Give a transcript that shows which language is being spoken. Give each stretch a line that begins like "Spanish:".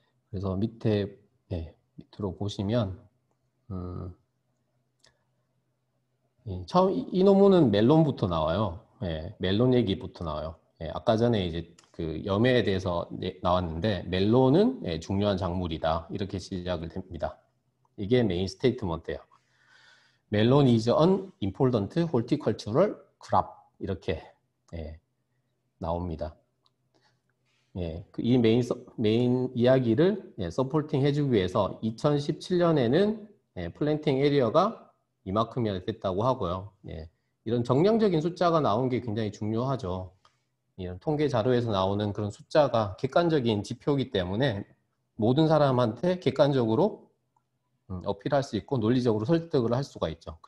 Korean: 그래서 밑에 예, 밑으로 보시면 예, 처음 이 논문은 멜론부터 나와요. 예, 멜론 얘기부터 나와요. 예, 아까 전에 이제 그 염해에 대해서 나왔는데 멜론은 예, 중요한 작물이다 이렇게 시작을 됩니다. 이게 메인 스테이트먼트예요.
English: Melon is an important horticultural crop
Korean: 이렇게 예, 나옵니다. 예, 그이 메인 이야기를 예, 서포팅 해주기 위해서 2017년에는 예, planting area가 이만큼이 됐다고 하고요. 예, 이런 정량적인 숫자가 나온 게 굉장히 중요하죠. 이런 통계 자료에서 나오는 그런 숫자가 객관적인 지표이기 때문에 모든 사람한테 객관적으로 어필할 수 있고 논리적으로 설득을 할 수가 있죠.